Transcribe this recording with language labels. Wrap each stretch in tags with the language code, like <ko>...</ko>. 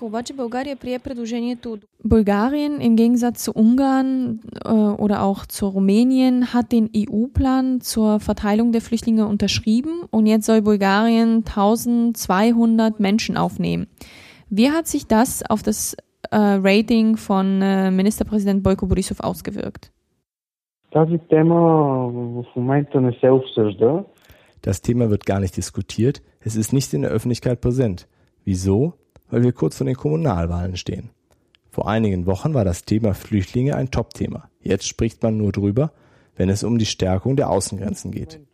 <de>Bulgarien im Gegensatz zu Ungarn oder auch zu Rumänien hat den EU-Plan zur Verteilung der Flüchtlinge unterschrieben und jetzt soll Bulgarien 1200 Menschen aufnehmen. Wie hat sich das auf das Rating von Ministerpräsident Bojko Borisov ausgewirkt?</de> <bg>Тази тема в момента не се обсъжда.</bg> <de>Das Thema wird gar nicht diskutiert. Es ist nicht in der Öffentlichkeit präsent. Wieso? Weil wir kurz vor den Kommunalwahlen stehen. Vor einigen Wochen war das Thema Flüchtlinge ein Top-Thema. Jetzt spricht man nur drüber, wenn es um die Stärkung der Außengrenzen geht.</de>